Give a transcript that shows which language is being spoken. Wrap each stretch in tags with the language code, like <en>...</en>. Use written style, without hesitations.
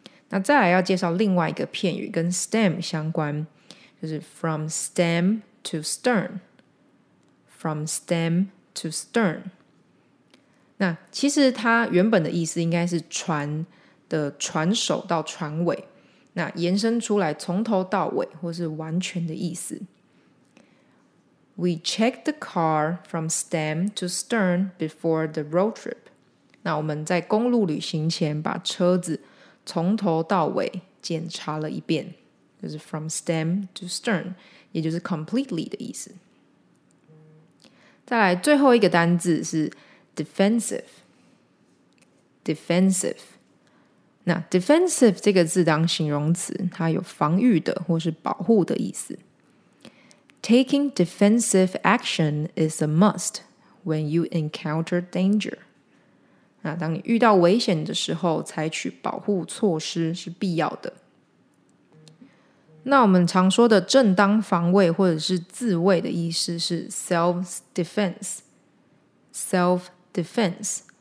<zh>那再来要介绍另外一个片语跟 stem 相关，就是</zh> <en>from stem to stern。 from stem to stern。</en> <zh>那其实它原本的意思应该是船的船首到船尾，那延伸出来从头到尾或是完全的意思。</zh> <en>We checked the car from stem to stern before the road trip.</en> <zh>那我们在公路旅行前把车子从头到尾检查了一遍，就是</zh> <en>from stem to stern,</en> <zh>也就是 completely 的意思。</zh> <en>再来最后一个单字是 defensive. Defensive.</en> <zh>那 defensive 这个字当形容词，它有防御的或是保护的意思。</zh> <en>Taking defensive action is a must when you encounter danger.</en> <zh>那当你遇到危险的时候，采取保护措施是必要的。那我们常说的正当防卫或者是自卫的意思是 self-defense.</zh> <en>Self-defense.</en>